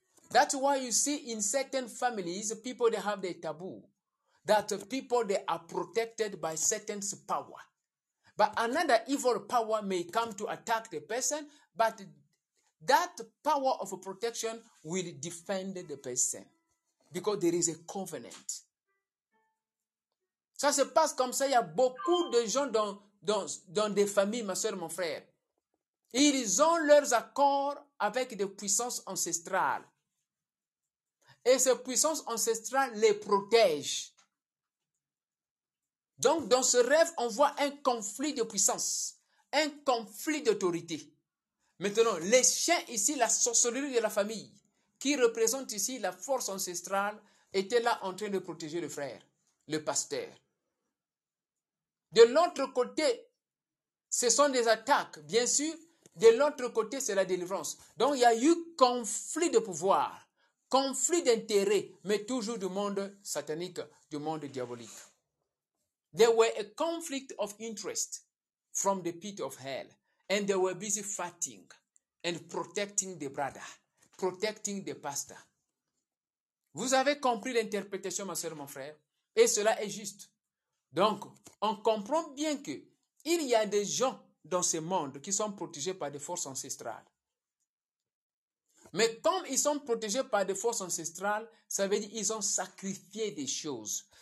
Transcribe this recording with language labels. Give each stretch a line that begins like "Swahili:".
English: That's why you see in certain families, people, they have their taboo. That people, they are protected by certain power. But another evil power may come to attack the person, but that power of protection will defend the person. Because there is a covenant.
French: Ça se passe comme ça. Il y a beaucoup de gens dans des familles, ma soeur, mon frère. Ils ont leurs accords avec des puissances ancestrales. Et ces puissances ancestrales les protègent. Donc, dans ce rêve, on voit un conflit de puissance, un conflit d'autorité. Maintenant, les chiens ici, la sorcellerie de la famille, qui représente ici la force ancestrale, était là en train de protéger le frère, le pasteur. De l'autre côté, ce sont des attaques, bien sûr. De l'autre côté, c'est la délivrance. Donc, il y a eu conflit de pouvoir. Conflit d'intérêts, mais toujours du monde satanique, du monde diabolique.
English: There were a conflict of interest from the pit of hell. And they were busy fighting and protecting the brother, protecting the pastor.
French: Vous avez compris l'interprétation, ma soeur, mon frère. Et cela est juste. Donc, on comprend bien que il y a des gens dans ce monde qui sont protégés par des forces ancestrales. Mais comme ils sont protégés par des forces ancestrales, ça veut dire qu'ils ont sacrifié des choses.